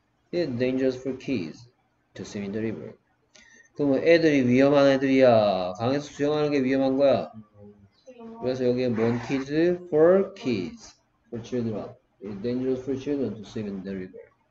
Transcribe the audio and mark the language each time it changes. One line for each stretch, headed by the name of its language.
English: It is dangerous for kids to swim in the river.
Korean: 그럼 애들이 위험한 애들이야. 강에서 수영하는 게 위험한 거야. 그래서 여기에
English: monkeys for kids, for children. It's dangerous for children to swim in the river.